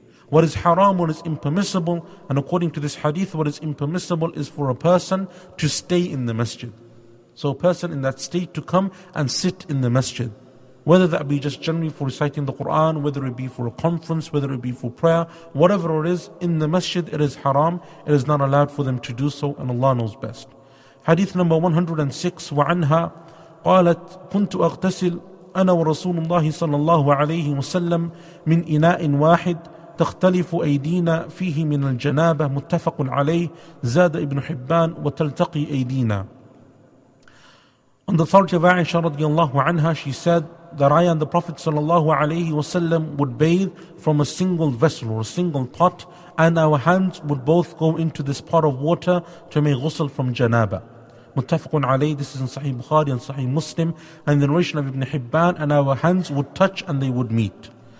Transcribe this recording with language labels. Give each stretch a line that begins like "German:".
English: What is haram, what is impermissible, and according to this hadith, what is impermissible is for a person to stay in the masjid. So a person in that state to come and sit in the masjid. Whether that be just generally for reciting the Quran, whether it be for a conference, whether it be for prayer, whatever it is, in the masjid it is haram. It is not allowed for them to do so, and Allah knows best. Hadith number 106,
Arabic: وعنها قالت كنت أغتسل أنا ورسول الله صلى الله عليه وسلم من إناء واحد تختلف أيدينا فيه من الجنابة متفق عليه زاد ابن حبان وتلتقي أيدينا.
English: On the authority of Aisha radiallahu anha, she said that I and the Prophet sallallahu alayhi wasallam would bathe from a single vessel or a single pot, and our hands would both go into this pot of water to make ghusl from janaba. Muttafaqun alayhi, this is in Sahih Bukhari and Sahih Muslim, and the narration of Ibn Hibban, and our hands would touch and they would meet.